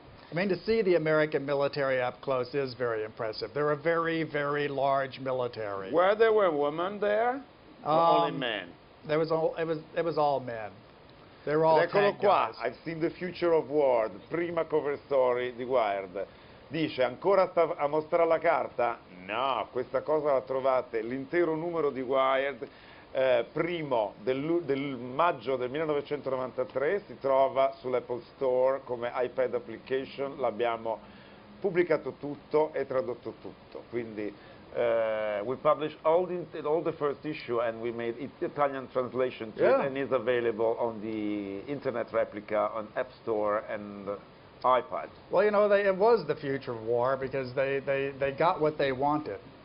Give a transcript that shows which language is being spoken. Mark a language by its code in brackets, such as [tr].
[en] I mean, to see the American military up close is very impressive. They're a very, very large military. Were there women there? Only men? It was all men. They're all [it] eccolo [en] tank [it] qua. [en] Guys. I've seen the future of war, the prima cover story di Wired. [it] Dice ancora sta a mostrare la carta? No, questa cosa la trovate l'intero numero di Wired primo del maggio del 1993 si trova sull'Apple Store come iPad application. L'abbiamo pubblicato tutto e tradotto tutto. [en] Quindi we published all the first issue and we made it Italian translation too, yeah. And is available on the internet replica on App Store and iPad. Well, it was the future of war because they got what they wanted.